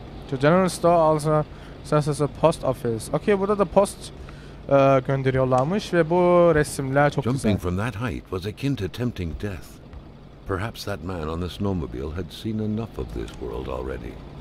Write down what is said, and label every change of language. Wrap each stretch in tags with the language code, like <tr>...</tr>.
<en>The general store also says it's a post office.</en> <tr>Okay, burada da post gönderiyorlarmış ve bu resimler çok</tr> <en>Jumping</en> <tr>güzel.</tr> <en>Jumping from that height was akin to tempting death. Perhaps that man on the snowmobile had seen enough of this world already.</en>